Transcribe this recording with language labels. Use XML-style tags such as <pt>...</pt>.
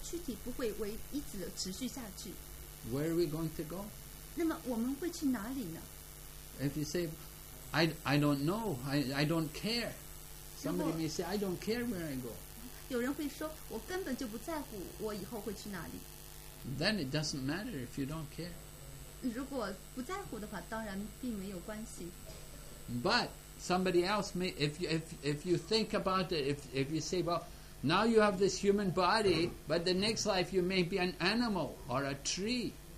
<zh>就好像我们在这里，在这个躯体里，但是我们这个躯体不会一直持续下去。</zh> <en>Where are we going to go?</en> <zh>那么我们会去哪里呢？</zh> <en>If you say, I don't know, I don't care. Somebody may say, I don't care where I go.</en> <zh>有人会说，我根本就不在乎我以后会去哪里。</zh> <en>Then it doesn't matter if you don't care.</en> <zh>如果不在乎的话，当然并没有关系。</zh> <en>But somebody else may, if you think about it, if you say, well, now you have this human body, but the next life you may be an animal or a tree.</en>